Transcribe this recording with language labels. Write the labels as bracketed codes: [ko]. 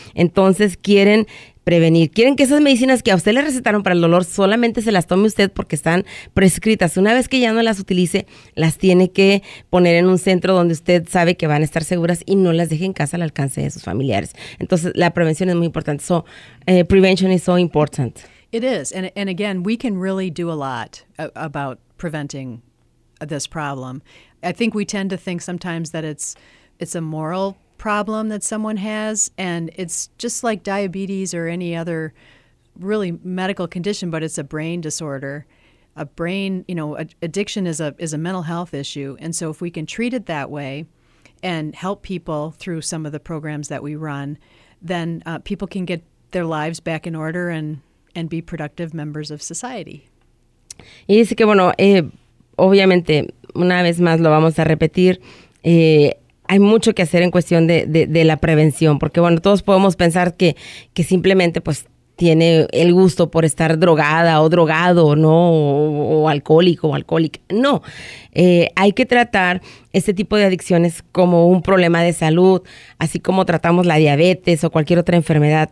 [es] Entonces quieren prevenir. Quieren que esas medicinas que a usted le recetaron para el dolor solamente se las tome usted porque están prescritas. Una vez que ya no las utilice, las tiene que poner en un centro donde usted sabe que van a estar seguras y no las deje en casa al alcance de sus familiares. Entonces, la prevención es muy importante. [en] So, prevention is so important. It is. And again, we can really do a lot about preventing this problem. I think we tend to think sometimes that it's a moral problem that someone has, and it's just like diabetes or any other really medical condition, but it's a brain disorder. A brain, you know, addiction is a mental health issue, and so if we can treat it that way and help people through some of the programs that we run, then people can get their lives back in order and be productive members of society. [es] Y dice que, bueno, obviamente, una vez más lo vamos a repetir, hay mucho que hacer en cuestión de la prevención, porque bueno, todos podemos pensar que simplemente pues tiene el gusto por estar drogada o drogado, ¿no? O alcohólico o alcohólica. No, hay que tratar este tipo de adicciones como un problema de salud, así como tratamos la diabetes o cualquier otra enfermedad.